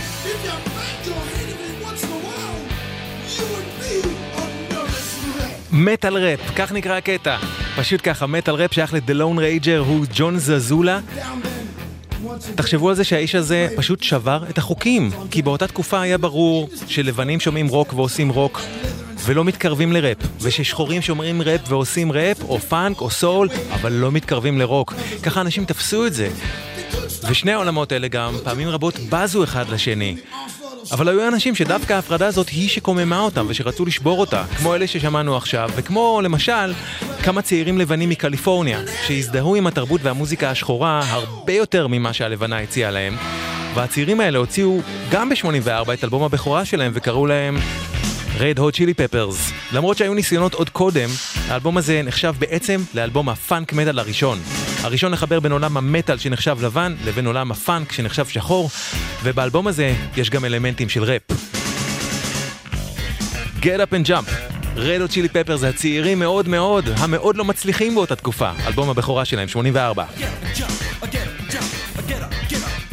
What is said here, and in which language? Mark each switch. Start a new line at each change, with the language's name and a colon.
English: If you bang your head every once in a while, you would be a nervous wreck.
Hebrew: Metal rap, כך נקרא הקטע. פשוט ככה, metal rap שייך לדה לון רייג'ר, הוא ג'ון זזולה. תחשבו על זה שהאיש הזה פשוט שבר את החוקים, כי באותה תקופה היה ברור שלבנים שומעים רוק ועושים רוק ולא מתקרבים לרפ, וששחורים שומעים רפ ועושים רפ או פאנק או סול, אבל לא מתקרבים לרוק. ככה אנשים תפסו את זה. ושני העולמות אלה גם פעמים רבות בזו אחד לשני, אבל היו אנשים שדווקא ההפרדה הזאת היא שקוממה אותם ושרצו לשבור אותה, כמו אלה ששמענו עכשיו, וכמו למשל כמה צעירים לבנים מקליפורניה שהזדהו עם התרבות והמוזיקה השחורה הרבה יותר ממה שהלבנה הציעה להם. והצעירים האלה הוציאו גם ב-84 את אלבום הבכורה שלהם וקראו להם Red Hot Chili Peppers. למרות שהיו ניסיונות עוד קודם, האלבום הזה נחשב בעצם לאלבום הפאנק מטאל הראשון. הראשון לחבר בין עולם המטאל שנחשב לבן לבין עולם הפאנק שנחשב שחור, ובאלבום הזה יש גם אלמנטים של ראפ. Get Up and Jump, Red Hot Chili Peppers, הצעירים מאוד מאוד, המאוד לא מצליחים באותה תקופה. אלבום הבכורה שלהם, 84.
English: Get up, jump, get up, jump, get up, get up.